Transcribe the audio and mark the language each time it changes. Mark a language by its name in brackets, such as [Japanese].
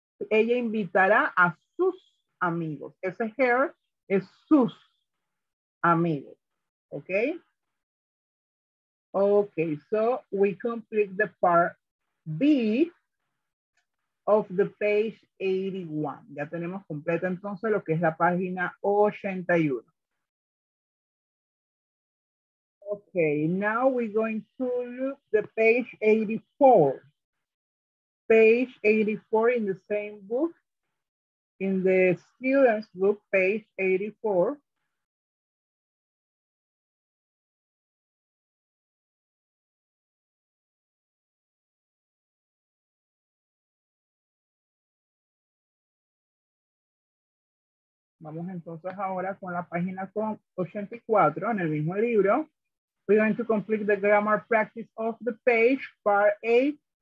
[Spanish] Ella invitará a sus amigos. Ese her es sus amigos. ¿Ok? [English] Ok, so we complete the part B of the page 81. [Spanish] Ya tenemos completa entonces lo que es la página 81. [English] Ok, now we're going to look the page 84. Page 84 in the same book, in the student's book, page 84. [Spanish] Vamos entonces ahora con la página 84 en el mismo libro. [English] We're going to complete the grammar practice of the page, part A.